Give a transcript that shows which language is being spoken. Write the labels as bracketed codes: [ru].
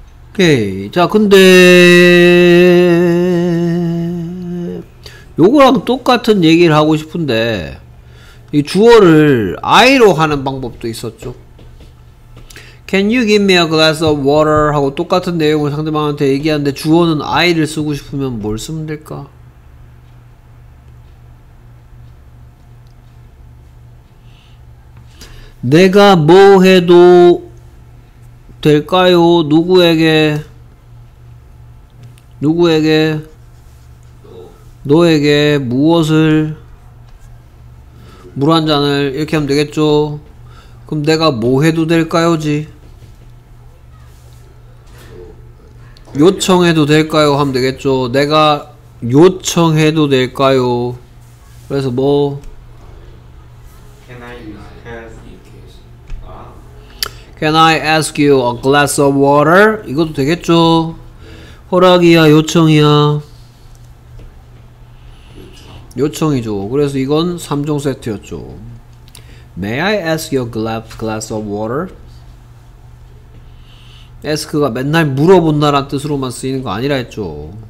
[ko] 오케이. 자, 근데 요거랑 똑같은 얘기를 하고 싶은데 이 주어를 I로 하는 방법도 있었죠. [en] Can you give me a glass of water? [ko] 하고 똑같은 내용을 상대방한테 얘기하는데 주어는 I를 쓰고 싶으면 뭘 쓰면 될까? 내가 뭐 해도 될까요? 누구에게? 누구에게? 너에게 무엇을? 물 한 잔을. 이렇게 하면 되겠죠? 그럼 내가 뭐 해도 될까요지? 요청해도 될까요? 하면 되겠죠. 내가 요청해도 될까요? 그래서 뭐? [en] Can I ask you a glass of water? [ko] 이것도 되겠죠. 허락이야? 요청이야? 요청이죠. 그래서 이건 3종 세트였죠. [en] May I ask you a glass of water? [ko] ask가 맨날 물어본다란 뜻으로만 쓰이는 거 아니라 했죠.